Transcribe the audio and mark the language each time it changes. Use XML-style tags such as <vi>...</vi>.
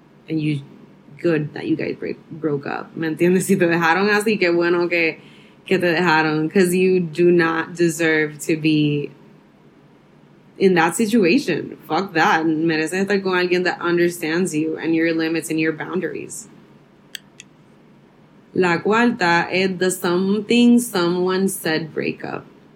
<en>And you, good that you guys broke up.</en> <es>¿Me entiendes? Si te dejaron así, qué bueno que te dejaron.</es> <en>Because you do not deserve to be in that situation. Fuck that.</en> <es>Mereces estar con alguien</es> <en>that understands you and your limits and your boundaries.</en> <es>La cuarta es</es> <en>the something someone said breakup.</en>